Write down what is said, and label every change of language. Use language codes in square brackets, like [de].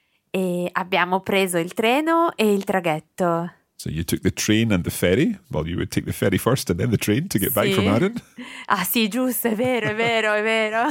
[it] E abbiamo preso il treno e il traghetto. [en] So you took the train and the ferry? Well, you would take the ferry first and then the train to get [it] sì. [en] back from Arran? [it] Ah sì, giusto, è vero, è vero, è vero.